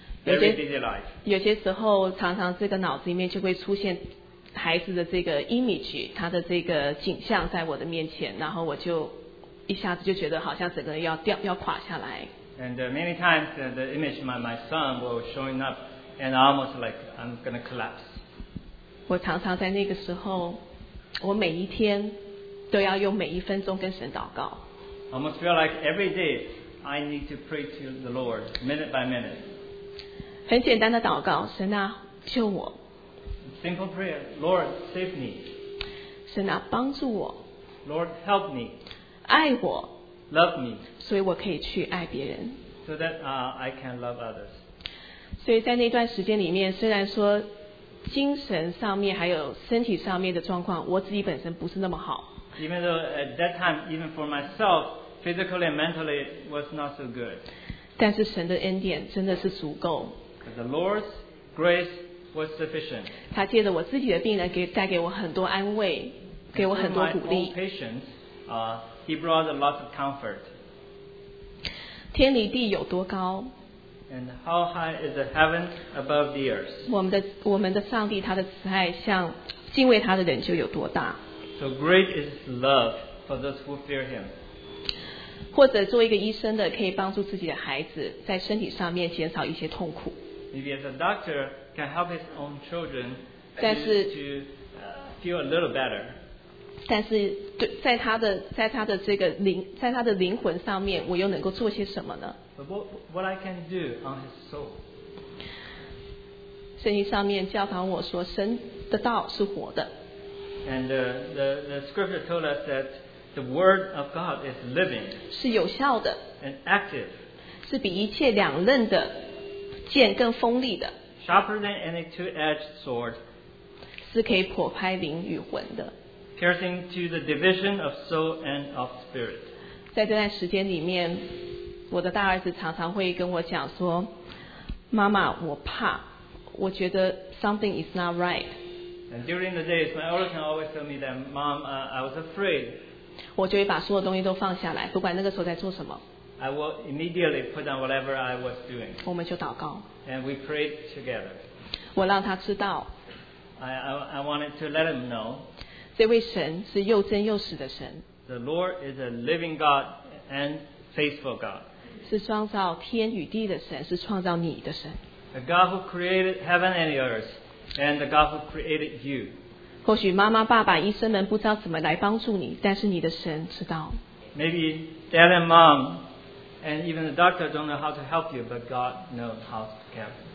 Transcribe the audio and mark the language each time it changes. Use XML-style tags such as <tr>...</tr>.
<en>Very busy life.</en> <zh>有些时候常常这个脑子里面就会出现孩子的这个 image， 他的这个景象在我的面前，然后我就一下子就觉得好像整个人要垮下来。</zh> <en>And many times the image of my son will showing up and almost like I'm gonna collapse.</en> <zh>我常常在那个时候，我每一天都要用每一分钟跟神祷告。</zh> <en>I almost feel like every day I need to pray to the Lord minute by minute.</en> <zh>很简单的祷告，神啊，救我。</zh> <en>Simple prayer, Lord, save me.</en> <zh>神啊，帮助我。</zh> <en>Lord, help me.</en> <zh>爱我。</zh> <en>Love me.</en> <zh>所以我可以去爱别人。</zh> <en>So that I can love others.</en> <zh>所以在那段时间里面，虽然说精神上面还有身体上面的状况，我自己本身不是那么好。</zh> <en>Even though at that time, even for myself, physically and mentally, it was not so good.</en> <zh>但是神的恩典真的是足够。</zh> <en>But the Lord's grace was sufficient.</en> <zh>他借着我自己的病人带给我很多安慰，给我很多鼓励。</zh> <en>My own patients, he brought a lot of comfort.</en> <zh>天离地有多高？</zh> <en>And how high is the heaven above the earth?</en> <zh>我们的上帝，他的慈爱像敬畏他的人就有多大？</zh> <en>So great is love for those who fear him.</en> <zh>或者做一个医生的可以帮助自己的孩子在身体上面减少一些痛苦。</zh> <en>Maybe as a doctor can help his own children to feel a little better.</en> <zh>但是对在他的这个灵在他的灵魂上面我又能够做些什么呢？</zh> <en>But what I can do on his soul.</en> <zh>圣经上面教导我说神的道是活的。</zh> <en>And the scripture told us that the word of God is living,</en> <zh>是有效的</zh> <en>and active,</en> <zh>是比一切两刃的剑更锋利的</zh> <en>sharper than any two-edged sword,</en> <zh>是可以剖开灵与魂的</zh> <en>piercing to the division of soul and of spirit.</en> <zh>在这段时间里面，我的大儿子常常会跟我讲说，妈妈，我怕，我觉得</zh> <en>something is not right. And during the days, my older son always told me that, Mom, I was afraid.</en> <zh>我就会把所有东西都放下来，不管那个时候在做什么。</zh> <en>I will immediately put down whatever I was doing.</en> <zh>我们就祷告。</zh> <en>And we prayed together.</en> <zh>我让他知道。</zh> <en>I wanted to let him know.</en> <zh>这位神是又真又实的神。</zh> <en>The Lord is a living God and faithful God.</en> <zh>是创造天与地的神，是创造你的神。</zh> <en>A God who created heaven and earth. And the God who created you.</en> <zh>或许妈妈、爸爸、医生们不知道怎么来帮助你，但是你的神知道。</zh> <en>Maybe dad and mom, and even the doctor don't know how to help you, but God knows how to help.</en>